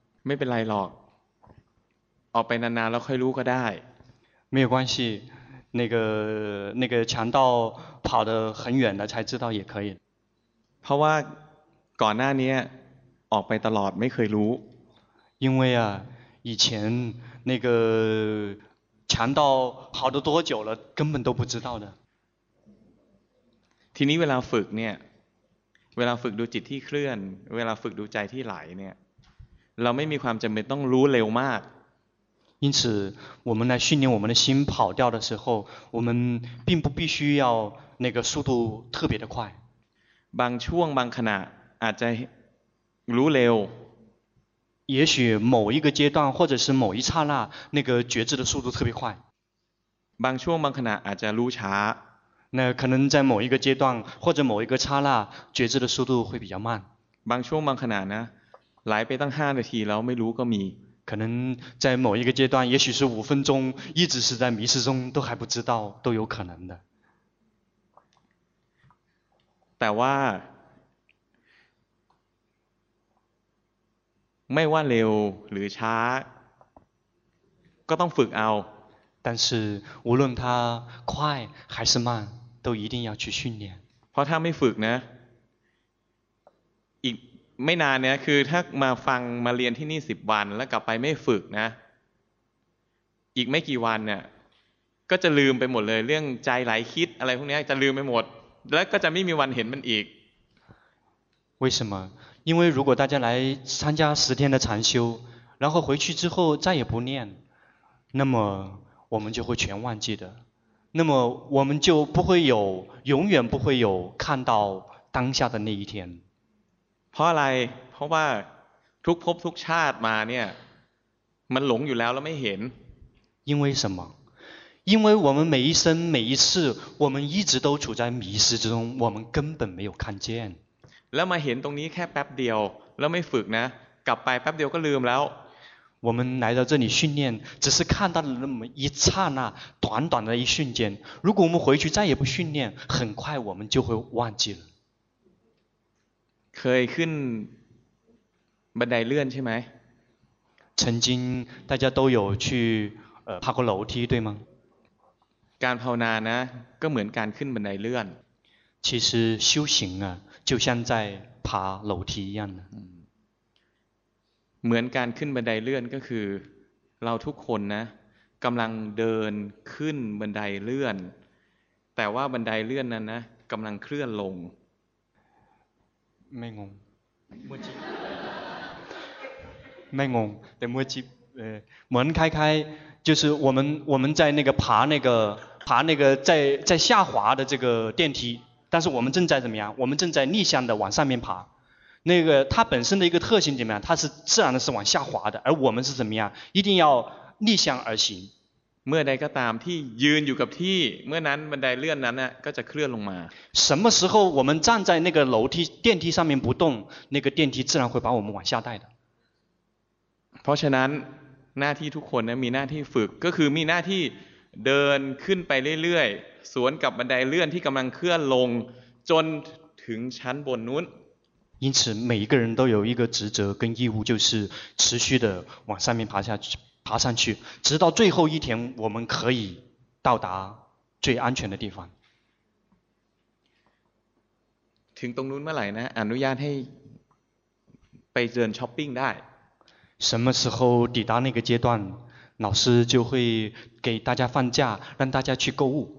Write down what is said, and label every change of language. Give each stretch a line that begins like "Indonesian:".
Thai: ไม่เป็นไรหรอกออกไปนานๆแล้วค่อยรู้ก็ได้ ไม่
Chinese: 有关系那个强盗跑得很远了才知道也可以
Thai: เพราะว่าก่อนหน้านี้ออกไปตลอดไม่เคยรู้
Chinese: 因为啊以前那个强盗跑得多久了根本都不知道的
Thai: ทีนี้เวลาฝึกเนี่ยเวลาฝึกดูจิตที่เคลื่อนเวลาฝึกดูใจที่ไหลเนี่ยเราไม่มีความจำเป็นต้องรู้เร็วมาก
Chinese: 因此我们来训练我们的心跑掉的时候我们并不必须要那个速度特别的快
Thai: บางช่วงบางขณะอาจจะรู้เร็ว
Chinese: 也许某一个阶段或者是某一刹那那个觉知的速度特别快
Thai: บางช่วงบางขณะอาจจะรู้ช้า
Chinese: 那可能在某一个阶段或者某一个刹那觉知的速度会比较慢
Thai: บางช่วงบางขณะนะไหลไปตั้ง5นาทีแล้วไม่รู้ก็มี
Chinese: 可能在某一个阶段也许是5分钟一直是在迷失中都还不知道都有可能的
Thai: แต่ว่าไม่ว่าเร็วหรือช้าก็ต้องฝึกเอา
Chinese: 但是无论它快还是慢都一定要去训练
Thai: เพราะถ้าไม่ฝึกนะอีกไม่นานเนี่ยคือถ้ามาฟังมาเรียนที่นี่10วันแล้วกลับไปไม่ฝึกนะอีกไม่กี่วันเนี่ยก็จะลืมไปหมดเลยเรื่องใจไหลคิดอะไรพวกนี้จะลืมไปหมดแล้วก็จะไม่มีวันเห็นมันอีก
Chinese: 为什么因为如果大家来参加十天的禅修然后回去之后再也不念那么我们就会全忘记的那么我们就不会有永远不会有看到当下的那一天
Thai: เพราะอะไรเพราะว่าทุกภพทุกชาติมาเนี่ยมันหลงอยู่แล้วแล้วไม่เห็น
Chinese: 因为什么因为我们每一生每一世我们一直都处在迷失之中我们根本没有看见
Thai: แล้วมาเห็นตรงนี้แค่แป๊บเดียวแล้วไม่ฝึกนะกลับไปแป๊บเดียวก็ลืมแล้ว
Chinese: 我们来到这里训练只是看到了那么一刹那短短的一瞬间如果我们回去再也不训练很快我们就会忘记了
Thai: เคยขึ้นบันไดเลื่อนใช่ไหม
Chinese: 曾经大家都有去爬过楼梯对吗
Thai: การภาวนานะก็เหมือนการขึ้นบันไดเลื่อน
Chinese: 其实修行啊就像在爬楼梯一样
Thai: เหมือนการขึ้นบันไดเลื่อนก็คือเราทุกคนนะกำลังเดินขึ้นบันไดเลื่อนแต่ว่าบันไดเลื่อนนั้นนะกำลังเคลื่อนลง ไม่งงเมื่อกี้ไม่งงแต่เมื่อกี้เหมือนคล้ายๆ
Chinese: 就是我们在那个爬那个在下滑的这个电梯但是我们正在怎么样我们正在逆向的往上面爬那个它本身的一个特性怎么样它是自然的是往下滑的而我们是怎么样一定要逆向而行
Thai: เมื่อใดก็ตามที่ยืนอยู่กับที่เมื่อนั้นบันไดเลื่อนนั้นน่ะก็จะเคลื่อนลงมา
Chinese: 什么时候我们站在那个楼梯电梯上面不动那个电梯自然会把我们往下带的
Thai: เพราะฉะนั้นหน้าที่ทุกคนนะมีหน้าที่ฝึกก็คือมีหน้าที่เดินขึ้นไปเรื่อยๆสวนกับบันไดเลื่อนที่กำลังเคลื่อนลงจนถึงชั้นบนนู้น
Chinese: 因此每一个人都有一个职责跟义务就是持续的往上面爬下去爬上去直到最后一天我们可以到达最安全的地方
Thai: ถึงตรงนู้นเมื่อไหร่นะอนุญาตให้ไปเดินช้อปปิ้งได้
Chinese: 什么时候抵达那个阶段老师就会给大家放假让大家去购物